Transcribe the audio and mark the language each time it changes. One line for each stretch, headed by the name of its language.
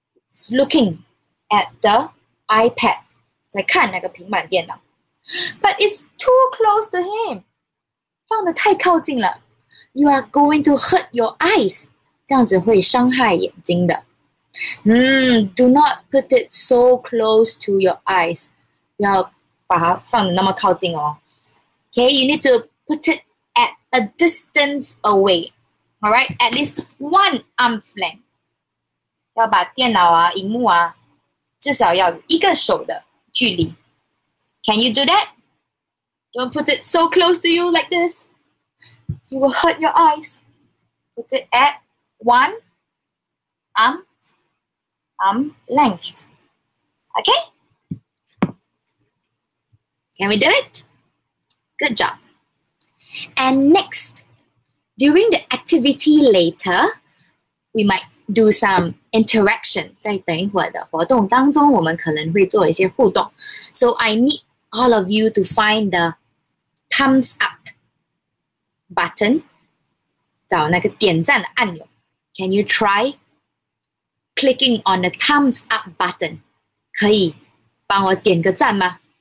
English: He's looking at the iPad.
Chinese: 在看那个平板电脑。
English: But it's too close to him.
Chinese: 放得太靠近了。
English: You are going to hurt your eyes.
Chinese: 这样子会伤害眼睛的。
English: Do not put it so close to your eyes.
Chinese: 要把它放得那么靠近哦。
English: Okay, you need to put it at a distance away. All right, at least one arm's length.
Chinese: 要把电脑啊、荧幕啊，至少要一个手的距离。
English: Can you do that? Don't put it so close to you like this. You will hurt your eyes. Put it at one arm length. Okay? Can we do it? Good job. And next, during the activity later, we might do some interaction.
Chinese: 在等一会儿的活动当中，我们可能会做一些互动。
English: So I need all of you to find the thumbs up button.
Chinese: 找那个点赞的按钮。
English: Can you try clicking on the thumbs up button?
Chinese: 可以帮我点个赞吗？